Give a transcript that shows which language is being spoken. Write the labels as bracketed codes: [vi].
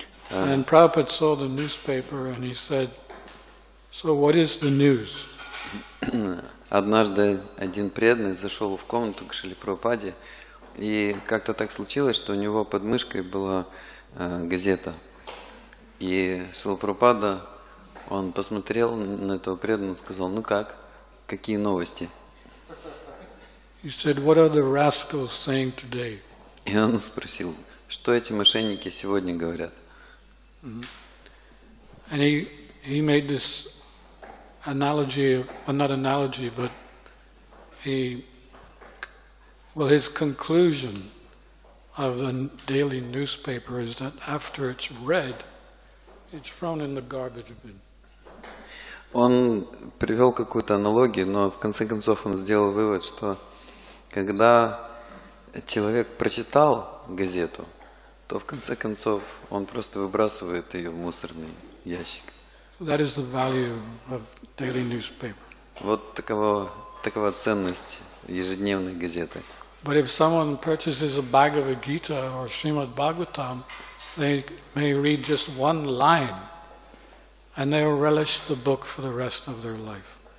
[en] And Prabhupada saw the newspaper and he said, "So what is the news?" [ru] Однажды один преданный зашел в комнату к Шриле Прабхупаде, и как-то так случилось, что у него под мышкой была газета. И Шрила Прабхупада, он посмотрел на этого преданного и сказал, ну как, какие новости? [en] He said, "What are the rascals saying today?" [ru] И он спросил, что эти мошенники сегодня говорят? [en] And he made this analogy, well, not analogy, but his conclusion of the daily newspaper is that after it's read, it's thrown in the garbage bin. [ru] Он привел какую-то аналогию, но в конце концов он сделал вывод, что когда человек прочитал газету, то в конце концов он просто выбрасывает ее в мусорный ящик. [en] That is the value of daily newspaper. [ru] Вот такова ценность ежедневной газеты. [en] But if someone purchases a Bhagavad Gita or Srimad Bhagavatam, they may read just one line and they will relish the book for the rest of their life.